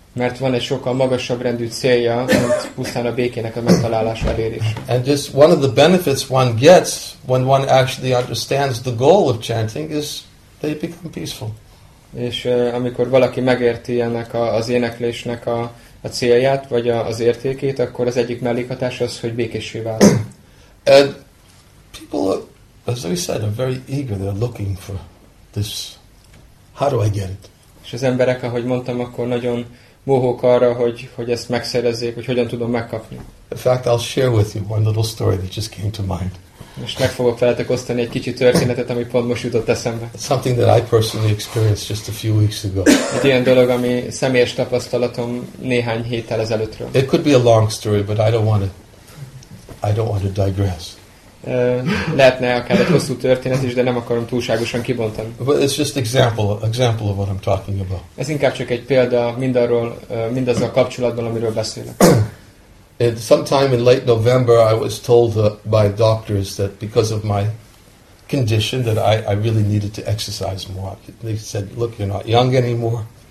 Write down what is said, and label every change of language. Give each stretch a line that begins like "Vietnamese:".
Hungarian: Mert van egy sokkal magasabb rendű célja, mint pusztán a békének a megtalálása elérése.
English: And just one of the benefits one gets when one actually understands the goal of chanting is they become peaceful.
Hungarian: És amikor valaki megérti ennek az éneklésnek a célját, vagy az értékét, akkor az egyik mellékhatás az, hogy békéssé válik.
English: And people are, as we said, are very eager, they're looking for this. How do I get it?
Hungarian: És az emberek, ahogy mondtam, akkor nagyon mohók arra, hogy ezt megszerezzék, hogy hogyan tudom megkapni.
English: In fact, I'll share with you one little story that just came to mind.
Hungarian: Most meg fogok veletek osztani egy kicsi történetet, ami pont most jutott eszembe.
English: Something that I personally experienced just a few weeks ago.
Hungarian: Egy ilyen dolog, ami személyes tapasztalatom néhány héttel ezelőttről.
English: It could be a long story, but I don't want to digress.
Hungarian: Lehetne akár egy hosszú történet is, de nem akarom túlságosan kibontani.
English: But it's just example of what I'm talking about.
Hungarian: Ez inkább csak egy példa mindarról, mindazzal kapcsolatban, amiről beszélek.
English: And sometime in late November, I was told by doctors that because of my condition, that I really needed to exercise more. They said, "Look, you're not young anymore.